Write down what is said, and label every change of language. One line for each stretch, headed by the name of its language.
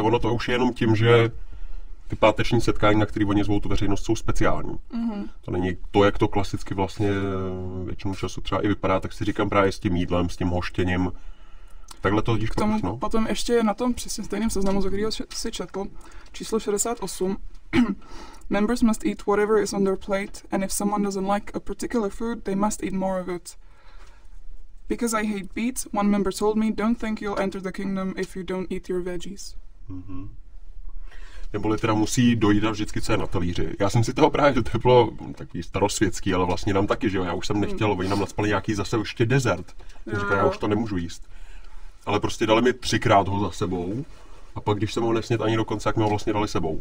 Czech: Ono to už je jenom tím, že ty páteční setkání, na které oni zvou tu veřejnost, jsou speciální. Mm-hmm. To není to, jak to klasicky vlastně většinou času třeba i vypadá, tak si říkám právě s tím jídlem, s tím hoštěním. Takhle to díš. K tomu no? Potom ještě na tom přesně stejném seznamu, za kterého si četl, číslo 68.
English: Members must eat whatever is on their plate, and if someone doesn't like a particular food, they must eat more of it. Because I hate beets, one member told me, don't think you'll enter the kingdom if you don't eat your veggies. Mm-hmm.
Czech: Neboli teda musí dojít vždycky, co je na talíři. Já jsem si toho právě, že to bylo takový starosvětský, ale vlastně nám taky, že jo, já už jsem nechtěl, oni nám nacpali nějaký zase ještě desert. Jsem říkal, já už to nemůžu jíst. Ale prostě dali mi třikrát ho za sebou, a pak když jsem ho nesnět ani dokonce, jak mi ho vlastně dali sebou.